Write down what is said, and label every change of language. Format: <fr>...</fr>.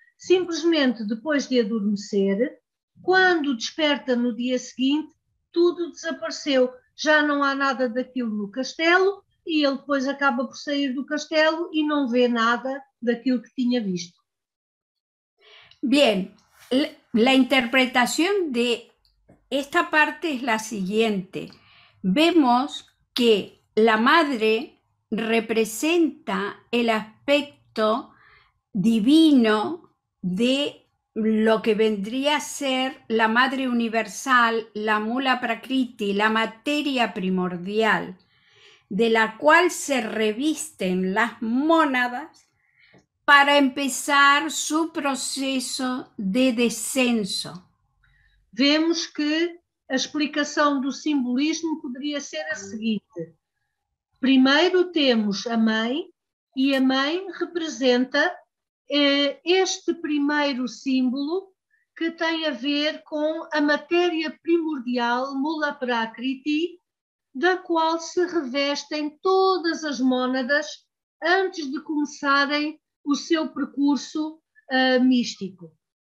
<pt>Simplesmente, depois de adormecer, quando desperta no dia seguinte, tudo desapareceu. Já não há nada daquilo no castelo e ele depois acaba por sair do castelo e não vê nada daquilo que tinha visto. Bem, a interpretação de esta parte é a seguinte. Vemos que a madre representa o aspecto divino</pt> <es>de lo que vendría a ser la madre universal, la mula prakriti, la materia primordial, de la cual se revisten las mónadas para empezar su proceso de descenso.</es> <pt>Vemos que a explicação do simbolismo poderia ser a seguinte. Primeiro temos a mãe, e a mãe representa este primeiro símbolo que tem a ver com a matéria primordial, Mula Prakriti, da qual se revestem todas as mónadas antes de começarem o seu percurso místico.</pt>